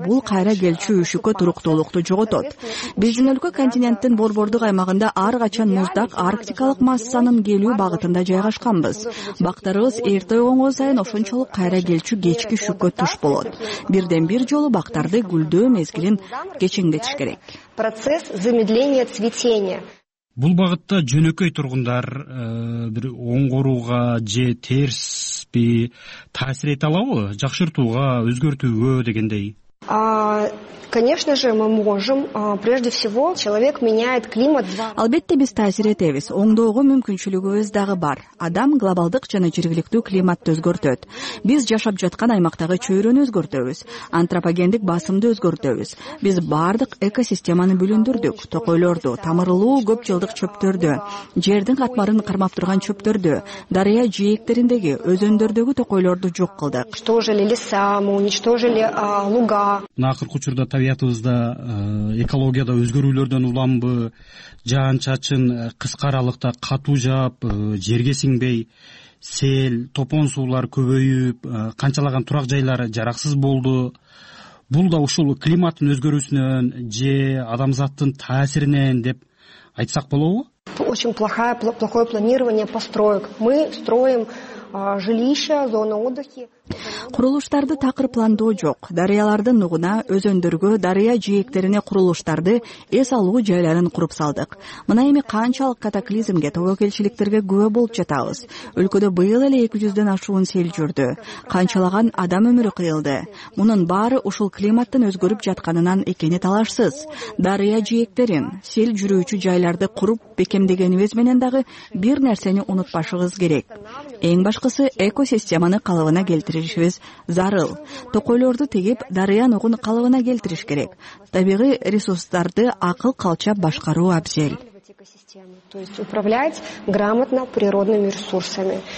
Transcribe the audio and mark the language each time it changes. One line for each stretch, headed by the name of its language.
Kyrgyz: Бул кайра келчү үшүккө туруктуулукту жоготот. Биздин өлкө континенттин борбордук аймагында ар качан муздак арктикалык массанын келүү багытында жайгашканбыз. Бактарыбыз эрте ойгонгон сайын ошончолук кайра келчү кечки үшүккө туш болот. Бирден бир жолу бактарды гүлдөө мезгилин кечиндетиш керек.
Russian: Процесс замедления цветения.
Kyrgyz: Бул багытта жөнөкөй тургундар бир оңгорууга же терсби таасир эте алабы? Жакшыртууга, өзгөртүүгө дегендей.
Russian: Конечно же, мы можем. Прежде всего, человек меняет климат.
Kyrgyz: Албетте биз таасир этебиз. Оңдоого мүмкүнчүлүгүбүз дагы бар. Адам глобалдык жана жергиликтүү климатты өзгөртөт. Биз жашап жаткан аймактагы чөйрөнү өзгөртөбүз. Антропогендик басымды өзгөртөбүз. Биз бардык экосистеманы бүлүндүрдүк. Токойлорду, тамырлуу көп жылдык чөптөрдү, жердин катмарын кармап турган чөптөрдү, дарыя жээктериндеги, өзөндөрдөгү токойлорду жок кылдык.
Russian: Уничтожили леса, уничтожили луга.
Kyrgyz: Мына акыркы учурда табиятыбызда экологияда өзгөрүүлөрдөн уламбы, жаан чачын кыска аралыкта катуу жаап, жерге сиңбей, сел, топон суулар көбөйүп, канчалаган турак жайлар жараксыз болду. Бул да ушул климаттын өзгөрүүсүнөн же адамзаттын таасиринен деп айтсак болобу?
Russian: Очень плохое планирование построек. Мы строим жилища, зона отдыха.
Kyrgyz: Курулуштарды такыр пландоо жок. Дарыялардын нугуна, өзөндөргө, дарыя жээктерине курулуштарды эс алуу жайларын куруп салдык. Мына эми канчалык катаклизмге, тобокелчиликтерге күбө болуп жатабыз. Өлкөдө быйыл эле 200-дөн ашуун сел жүрдү. Канчалаган адам өмүрү кыйылды. Мунун баары ушул климаттын өзгөрүп жатканынан экени талашсыз. Дарыя жээктерин, сел жүрүүчү жайларды куруп бекемдегенибиз менен дагы бир нерсени унутпашыбыз керек. Эң башкысы экосистеманы калыбына келтиришибиз зарыл. Токойлорду тегип, дарыя нугун калыбына келтириш керек. Табигый ресурстарды акыл калча башкаруу абзел.
Russian: То есть управлять грамотно природными ресурсами.